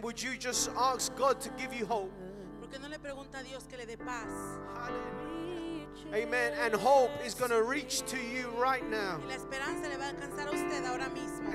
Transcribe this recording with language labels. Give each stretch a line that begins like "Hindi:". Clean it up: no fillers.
English: Would you just ask God to give you hope?
Spanish: ¿Por qué no le pregunta a Dios que le dé paz?
English: Hallelujah. Amen. And hope is going to reach to you right now.
Spanish: Y la esperanza le va a alcanzar a usted ahora mismo.